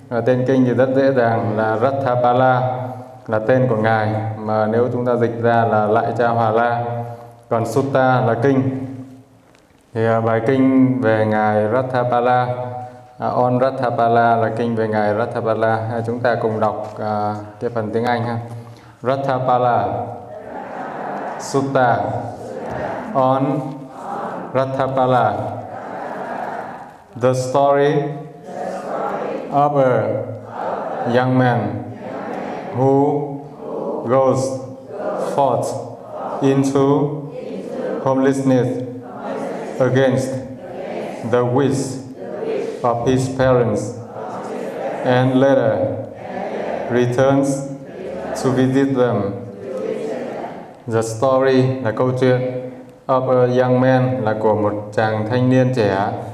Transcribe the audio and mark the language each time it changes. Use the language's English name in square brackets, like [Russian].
[Vietnamese] Tên kinh thì rất dễ dàng là Ratthapala, là tên của Ngài, mà nếu chúng ta dịch ra là Lại Cha Hòa La. Còn Sutta là kinh. Thì bài kinh về Ngài Ratthapala, On Ratthapala là kinh về Ngài Ratthapala. Chúng ta cùng đọc cái phần tiếng Anh ha. [English] Ratthapala Sutta On Ratthapala, the story of a young man who goes forth into homelessness against the wish of his parents, and later returns to visit them. The story, [Vietnamese] là câu chuyện, [English] of a young man, [Vietnamese] là của một chàng thanh niên trẻ.